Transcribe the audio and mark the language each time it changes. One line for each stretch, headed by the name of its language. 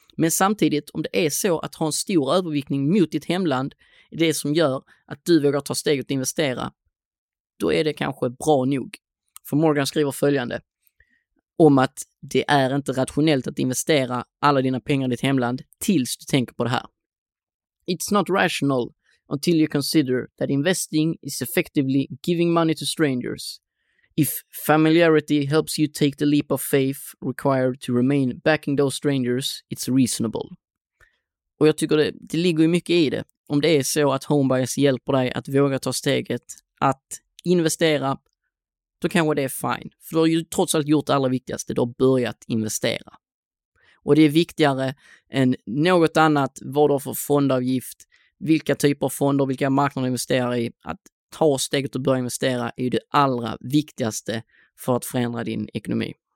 Swedish: Men samtidigt, om det är så att ha en stor överviktning mot ditt hemland är det som gör att du vågar ta steg och investera, då är det kanske bra nog. För Morgan skriver följande om att det är inte rationellt att investera alla dina pengar i ditt hemland tills du tänker på det här.
English: It's not rational until you consider that investing is effectively giving money to strangers. If familiarity helps you take the leap of faith required to remain backing those strangers, it's reasonable.
Swedish: Och jag tycker det ligger ju mycket i det. Om det är så att home bias hjälper dig att våga ta steget att investera, då kanske det är fine. För du har ju trots allt gjort det allra viktigaste, du har börjat investera. Och det är viktigare än något annat, vad du har för fondavgift, vilka typer av fonder, vilka marknader du investerar i, att ta steget och börja investera är ju det allra viktigaste för att förändra din ekonomi.